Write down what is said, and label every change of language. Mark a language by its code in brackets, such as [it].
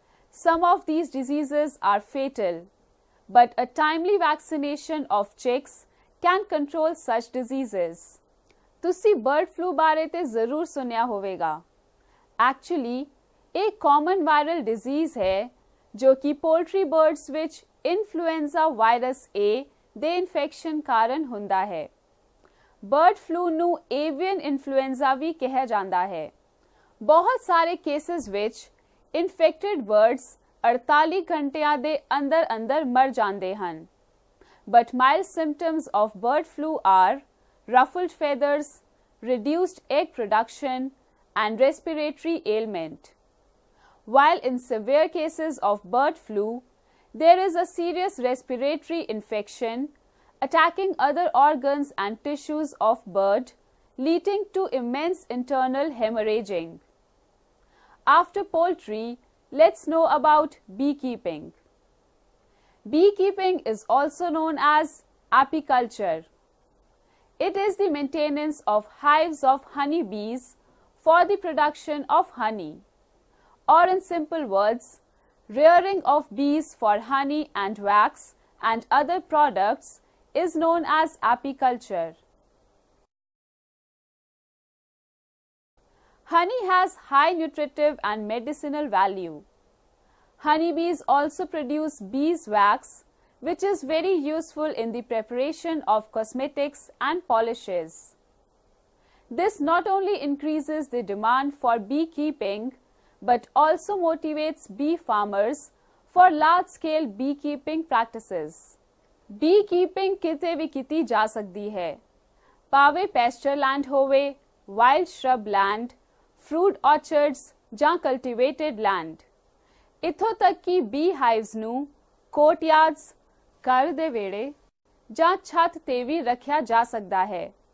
[en] Some of these diseases are fatal, but a timely vaccination of chicks can control such diseases. [pa] Tusi bird flu bare te zarur sunya hovega. [en] Actually, a common viral disease [pa] hai jo ki [en] poultry birds which influenza virus A [pa] ਦੇ infection ਕਾਰਨ ਹੁੰਦਾ ਹੈ। Bird flu ਨੂੰ avian influenza ਵੀ ਕਿਹਾ ਜਾਂਦਾ ਹੈ। ਬਹੁਤ ਸਾਰੇ ਕੇਸਿਸ ਵਿੱਚ ਇਨਫੈਕਟਿਡ ਬਰਡਸ 48 ਘੰਟਿਆਂ ਦੇ ਅੰਦਰ ਅੰਦਰ ਮਰ ਜਾਂਦੇ ਹਨ। [en] But mild symptoms of bird flu are ruffled feathers, reduced egg production and respiratory ailment. While in severe cases of bird flu there is a serious respiratory infection attacking other organs and tissues of bird, leading to immense internal hemorrhaging. After poultry, let's know about beekeeping. Beekeeping is also known as apiculture. It is the maintenance of hives of honey bees for the production of honey, or in simple words, rearing of bees for honey and wax and other products is known as apiculture. Honey has high nutritive and medicinal value. Honeybees also produce beeswax, which is very useful in the preparation of cosmetics and polishes. This not only increases the demand for beekeeping, but also motivates bee farmers for large-scale beekeeping practices. [pa] Beekeeping ਕਿਤੇ ਵੀ ਕੀਤੀ ਜਾ ਸਕਦੀ ਹੈ, ਭਾਵੇਂ ਪੈਸਚਰ land ਹੋਵੇ, wild ਸ਼ਰਬ land, fruit ਔਰਚਰਡਸ ਜਾਂ ਕਲਟੀਵੇਟਿਡ land. ਇੱਥੋਂ ਤੱਕ ਕਿ ਬੀ ਹਾਈਵਸ ਨੂੰ ਕੋਰਟਯਾਰਡਸ, ਘਰ ਦੇ ਵਿਹੜੇ ਜਾਂ ਛੱਤ 'ਤੇ ਵੀ ਰੱਖਿਆ ਜਾ ਸਕਦਾ ਹੈ।